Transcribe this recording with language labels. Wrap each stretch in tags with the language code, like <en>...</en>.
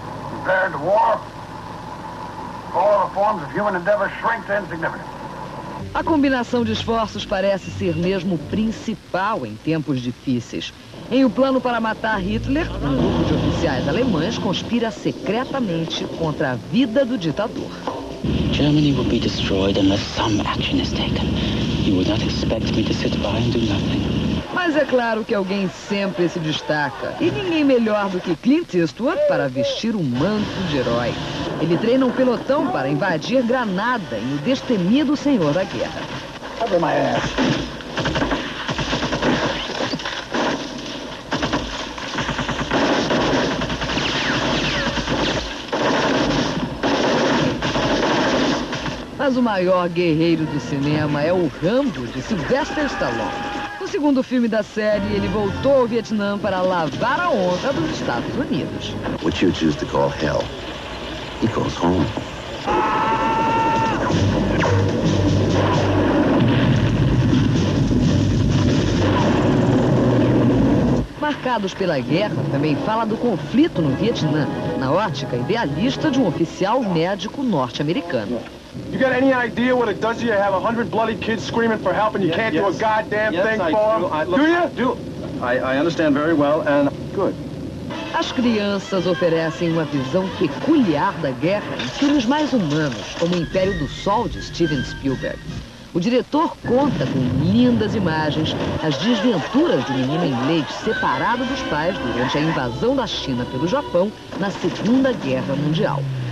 <en>Compared to war, all the forms of human endeavor shrink to insignificance.</en> <pt>A combinação de esforços parece ser mesmo principal em tempos difíceis. Em O Plano para Matar Hitler, um grupo de oficiais alemães conspira secretamente contra a vida do ditador.</pt> <en>Germany will be destroyed unless some action is taken. You would not expect me to sit by and do nothing.</en> <pt>Mas é claro que alguém sempre se destaca. E ninguém melhor do que Clint Eastwood para vestir o manto de herói. Ele treina um pelotão para invadir Granada em O Destemido Senhor da Guerra.</pt> <en>Cover my ass.</en> <pt>Mas o maior guerreiro do cinema é o Rambo, de Sylvester Stallone. No segundo filme da série, ele voltou ao Vietnã para lavar a honra dos Estados Unidos.</pt> <en>What you choose to call hell, he calls home.</en> <pt>Marcados pela guerra, também fala do conflito no Vietnã, na ótica idealista de um oficial médico norte-americano.</pt> <en>You got any idea what it does to you to have 100 bloody kids screaming for help and you can't do a goddamn thing for them? Do you? I understand very well and... Good.</en> <pt>As crianças oferecem uma visão peculiar da guerra em filmes mais humanos, como O Império do Sol, de Steven Spielberg. O diretor conta com lindas imagens as desventuras de um menino inglês separado dos pais durante a invasão da China pelo Japão na Segunda Guerra Mundial.</pt>